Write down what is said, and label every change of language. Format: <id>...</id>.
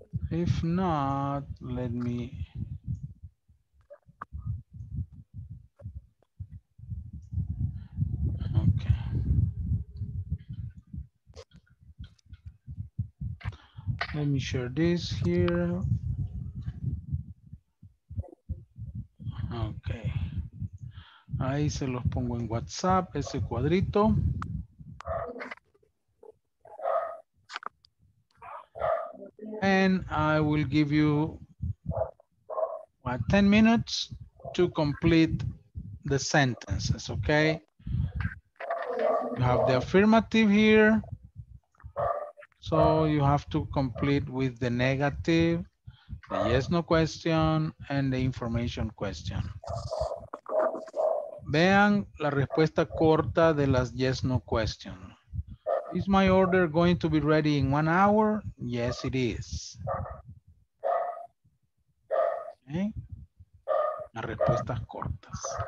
<en>If not, let me let me share this here. Okay.</en> <es>Ahí se los pongo en WhatsApp, ese cuadrito.</es> <en>And I will give you 10 minutes to complete the sentences, okay? You have the affirmative here. So you have to complete with the negative, the yes, no question, and the information question.</en> <es>Vean la respuesta corta de las yes, no question.</es> <en>Is my order going to be ready in 1 hour? Yes, it is.</en> <es>Okay. Las respuestas cortas.</es>